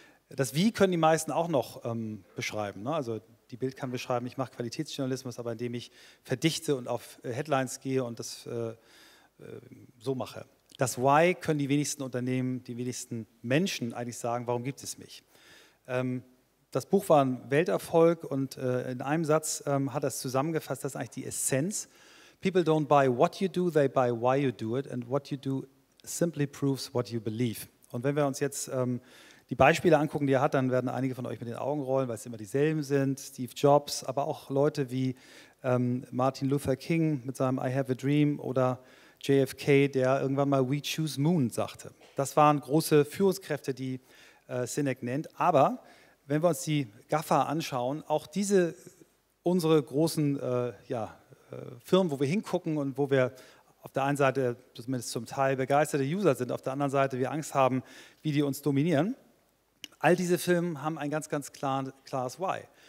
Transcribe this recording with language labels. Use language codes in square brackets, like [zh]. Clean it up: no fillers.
[de] Das Wie können die meisten auch noch beschreiben. Ne? Also die Bild kann beschreiben, ich mache Qualitätsjournalismus, aber indem ich verdichte und auf Headlines gehe und das so mache. Das Why können die wenigsten Unternehmen, die wenigsten Menschen eigentlich sagen, warum gibt es mich? Das Buch war ein Welterfolg und in einem Satz hat das zusammengefasst, das ist eigentlich die Essenz. [en] People don't buy what you do, they buy why you do it, and what you do simply proves what you believe. [de] Und wenn wir uns jetzt die Beispiele angucken, die er hat, dann werden einige von euch mit den Augen rollen, weil es immer dieselben sind, Steve Jobs, aber auch Leute wie Martin Luther King mit seinem I Have a Dream oder JFK, der irgendwann mal We Choose Moon sagte. Das waren große Führungskräfte, die Sinek nennt, aber wenn wir uns die GAFA anschauen, auch diese, unsere großen Firmen, wo wir hingucken und wo wir auf der einen Seite zumindest zum Teil begeisterte User sind, auf der anderen Seite wir Angst haben, wie die uns dominieren, all diese Firmen haben ein ganz, ganz klares Why.